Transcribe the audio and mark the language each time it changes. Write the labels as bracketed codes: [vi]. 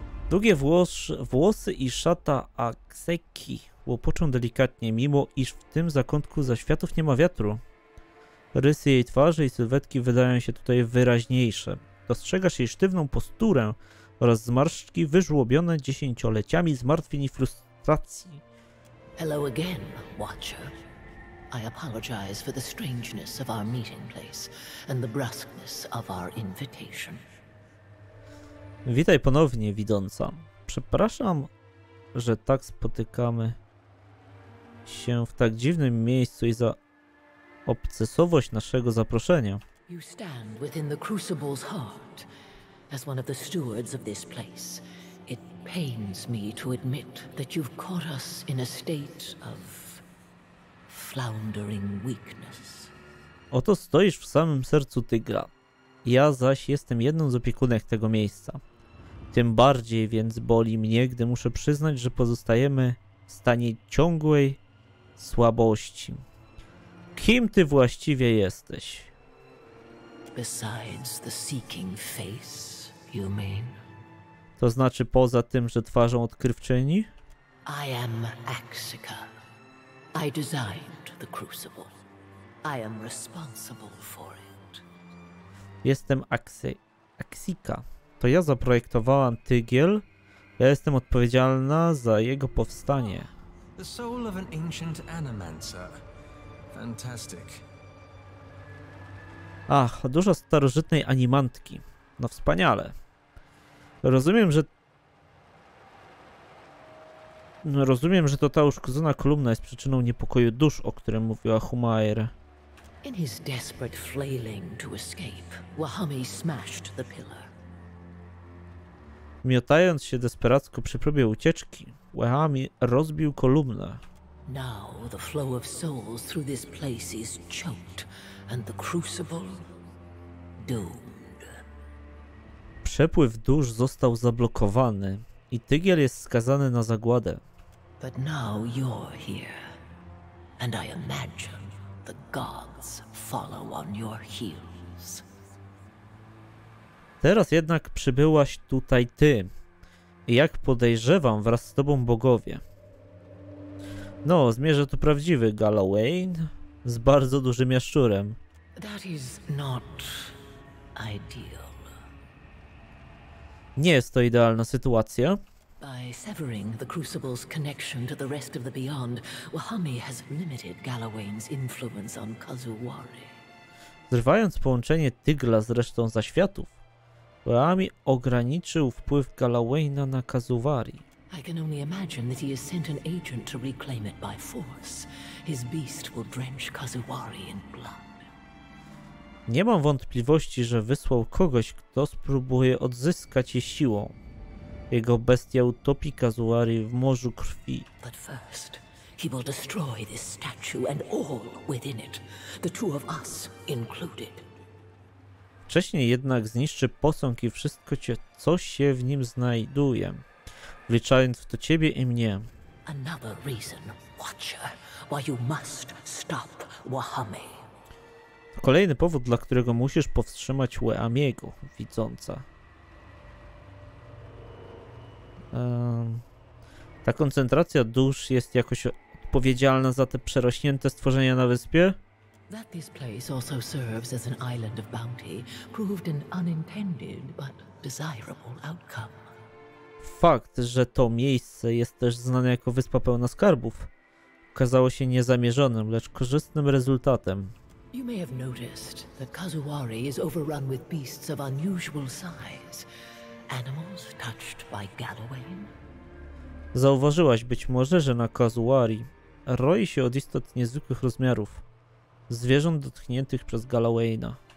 [pl] Długie włosy i szata Akseki łopoczą delikatnie, mimo iż w tym zakątku zaświatów nie ma wiatru. Rysy jej twarzy i sylwetki wydają się tutaj wyraźniejsze. Dostrzegasz jej sztywną posturę oraz zmarszczki wyżłobione dziesięcioleciami zmartwień i frustracji. [en] Hello again, Watcher. I apologize for the strangeness of our meeting place and the brusqueness of our invitation. [pl] Witaj ponownie, widząca. Przepraszam, że tak spotykamy się w tak dziwnym miejscu i za obcesowość naszego zaproszenia. [en] You stand within the Crucible's heart as one of the stewards of this place. It pains me to admit that you've caught us in a state of floundering weakness. [pl] Oto stoisz w samym sercu tygra. Ja zaś jestem jedną z opiekunek tego miejsca. Tym bardziej więc boli mnie, gdy muszę przyznać, że pozostajemy w stanie ciągłej słabości. Kim ty właściwie jesteś? [en] Besides the seeking face, you mean? [pl] To znaczy poza tym, że twarzą odkrywczyni? [en] I am Axica. I designed the Crucible. I am responsible for it. [pl] Jestem Axica. To ja zaprojektowałam Tygiel. Ja jestem odpowiedzialna za jego powstanie. [en] The soul of an ancient animancer. Fantastic. [pl] Ach, dużo starożytnej animantki. No wspaniale. Rozumiem, że to ta uszkodzona kolumna jest przyczyną niepokoju dusz, o którym mówiła Humair. [en] In his desperate flailing to escape, Wahami smashed the pillar. [pl] Miotając się desperacko przy próbie ucieczki, Wahami rozbił kolumnę. [en] Now the flow of souls through this place is choked and the crucible doomed. [pl] Przepływ dusz został zablokowany i Tygiel jest skazany na zagładę. [en] But now you're here and I imagine the gods follow on your heels. [pl] Teraz jednak przybyłaś tutaj ty. I jak podejrzewam, wraz z tobą bogowie. No, zmierza tu prawdziwy Galloway z bardzo dużym jaszczurem. [en] That is not ideal. [pl] Nie jest to idealna sytuacja. [en] By severing the Crucible's connection to the rest of the beyond, Wahami has limited Galloway's influence on Kazuwari. [pl] Zrywając połączenie Tygla z resztą zaświatów, Wahami ograniczył wpływ Galawayna na Kazuwari. [en] I can only imagine that he has sent an agent to reclaim it by force. his beast will drench Kazuwari in blood. [pl] Nie mam wątpliwości, że wysłał kogoś, kto spróbuje odzyskać je siłą. Jego bestia utopi Kazuwari w morzu krwi. [en] But first, he will destroy this statue and all within it, the two of us included. [pl] Wcześniej jednak zniszczy posąg i wszystko, co się w nim znajduje, wliczając w to ciebie i mnie. [en] Another reason, Watcher, why you must stop Wahame. [pl] To kolejny powód, dla którego musisz powstrzymać Wahamego, widząca. Ta koncentracja dusz jest jakoś odpowiedzialna za te przerośnięte stworzenia na wyspie? [en] That this place also serves as an island of bounty proved an unintended but desirable outcome. [pl] Fakt, że to miejsce jest też znane jako wyspa pełna skarbów, okazało się niezamierzonym, lecz korzystnym rezultatem. [en] You may have noticed that Kazuwari is overrun with beasts of unusual size, animals touched by Galloway. [pl] Zauważyłaś być może, że na Kazuwari roi się od istot niezwykłych rozmiarów. Zwierząt dotkniętych przez Galloway'a.